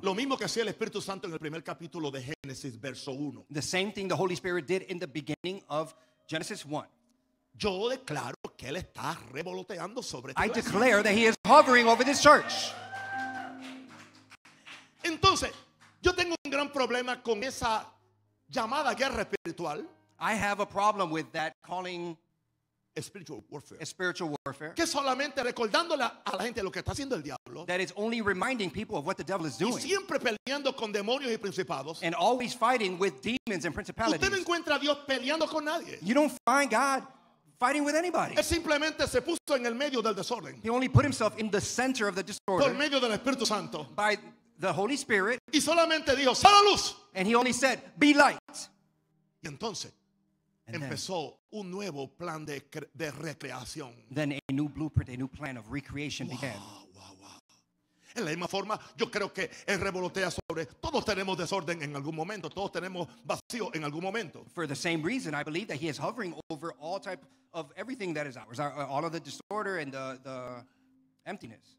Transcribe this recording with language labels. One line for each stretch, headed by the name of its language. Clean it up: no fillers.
Spanish: Lo mismo que hacía el Espíritu Santo en el primer capítulo de Génesis, verso 1.
English: The same thing the Holy Spirit did in the beginning of Genesis 1.
Spanish: Yo declaro que Él está revoloteando sobre ti.
English: I declare that He is hovering over this church.
Spanish: Entonces, yo tengo un gran problema con esa llamada guerra espiritual.
English: I have a problem with that calling spiritual warfare. A spiritual warfare.
Spanish: Que solamente recordándole a la gente lo que está haciendo el diablo.
English: That is only reminding people of what the devil is doing.
Spanish: Y siempre peleando con demonios y principados.
English: And always fighting with demons and principalities.
Spanish: Usted no encuentra a Dios peleando con nadie.
English: You don't find God fighting with anybody.
Spanish: Él simplemente se puso en el medio del desorden.
English: He only put himself in the center of the disorder.
Spanish: Por medio del Espíritu Santo.
English: By the Holy Spirit.
Spanish: Y solamente dijo, "Sal a luz."
English: And he only said, "Be light."
Spanish: Y entonces,
English: and
Spanish: empezó
English: then,
Spanish: un nuevo plan de recreación.
English: Then a new blueprint, a new plan of recreation wow, began. Wow, wow.
Spanish: En la misma forma, yo creo que él revolotea sobre todos tenemos desorden en algún momento, todos tenemos vacío en algún momento.
English: For the same reason, I believe that he is hovering over all type of everything that is ours, all of the disorder and the emptiness.